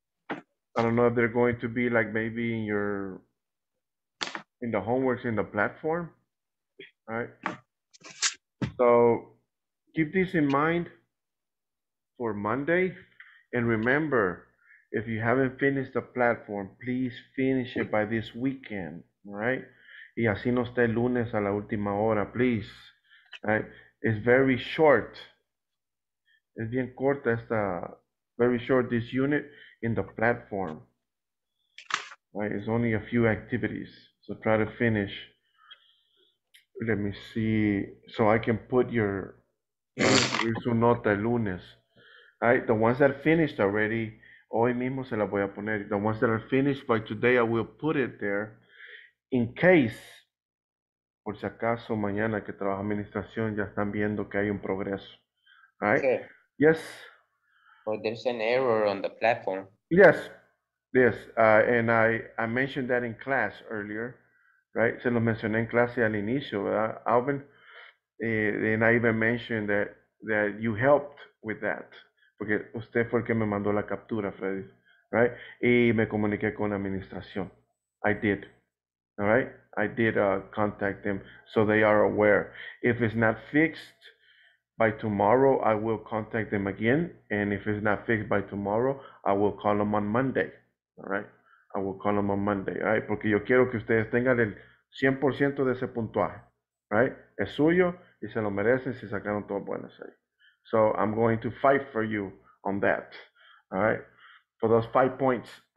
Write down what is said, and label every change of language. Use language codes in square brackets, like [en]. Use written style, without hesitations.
[en] I don't know if they're going to be like maybe in your in the homeworks in the platform. All right. So keep this in mind for Monday. And remember, if you haven't finished the platform, please finish it by this weekend, right? [es] Y así no esté lunes a la última hora, please. [en] Right? It's very short. [es] Es bien corta esta, [en] very short, this unit in the platform. Right? It's only a few activities. So try to finish. Let me see. So I can put your [es] su nota lunes. [en] Right? The ones that finished already, [es] hoy mismo se la voy a poner. [en] The ones that are finished by today, I will put it there. In case, [es] por si acaso, mañana que trabaja administración, ya están viendo que hay un progreso. [en] All right? Okay. Yes. Or there's an error on the platform. Yes. Yes. And I mentioned that in class earlier. Right? [es] Se lo mencioné en clase al inicio, ¿verdad, Alvin? [en] And I even mentioned that you helped with that. [es] Porque usted fue el que me mandó la captura, Freddy, right? Y me comuniqué con la administración. [en] I did, [es] all right? [en] I did contact them so they are aware. If it's not fixed by tomorrow, I will contact them again. And if it's not fixed by tomorrow, I will call them on Monday, all right? I will call them on Monday, all right? [es] Porque yo quiero que ustedes tengan el 100% de ese puntuaje, right? Es suyo y se lo merecen si sacaron todas buenas ahí. [en] So I'm going to fight for you on that, all right? For those 5 points.